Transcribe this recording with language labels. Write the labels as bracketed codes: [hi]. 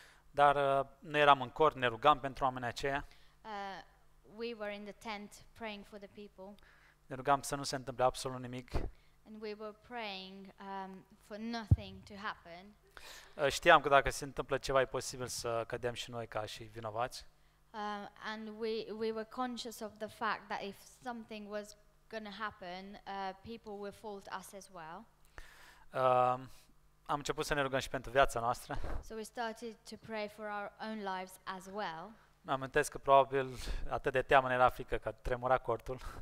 [ro] Dar noi eram în cort, ne rugam pentru oamenii aceia. [en] We were in the tent praying for the people. [ro] Ne rugam să nu se întâmple absolut nimic. [en] And we were praying for nothing to happen. [ro] Știam că dacă se întâmplă ceva e posibil să cădem și noi ca și vinovați. [en] And we were conscious of the fact that if something was going to happen, people will fault us as well. [ro] Am început să ne rugăm și pentru viața noastră. [en] So we started to pray for our own lives as well. [ro] Mă amintesc că probabil atât de teamă era frică că tremura cortul.